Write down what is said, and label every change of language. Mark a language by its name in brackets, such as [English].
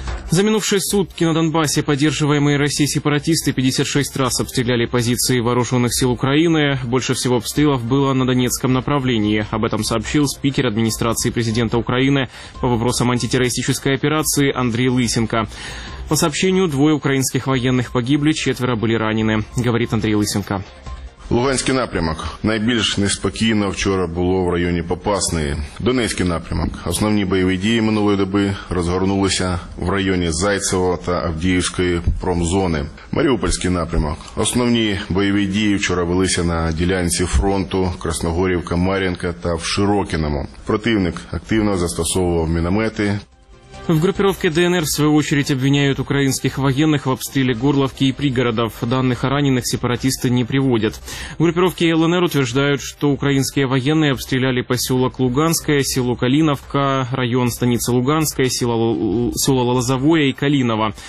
[Russian] За минувшие сутки на Донбассе поддерживаемые Россией сепаратисты 56 раз обстреляли позиции вооруженных сил Украины. Больше всего обстрелов было на Донецком направлении. Об этом сообщил спикер администрации президента Украины по вопросам антитеррористической операции Андрей Лысенко. По сообщению, двое украинских военных погибли, четверо были ранены, говорит Андрей Лысенко. [Ukrainian] Луганський напрямок. Найбільш неспокійно вчора було в районі Попасної. Донецький напрямок. Основні бойові дії минулої доби розгорнулися в районі Зайцево та Авдіївської промзони. Маріупольський напрямок. Основні бойові дії вчора велися на ділянці фронту Красногорівка-Мар'їнка та в Широкіному. Противник активно застосовував міномети. [Russian] В группировке ДНР, в свою очередь, обвиняют украинских военных в обстреле Горловки и пригородов. Данных о раненых сепаратисты не приводят. Группировки ЛНР утверждают, что украинские военные обстреляли поселок Луганское, село Калиновка, район станицы Луганское, село Лозовое и Калиново.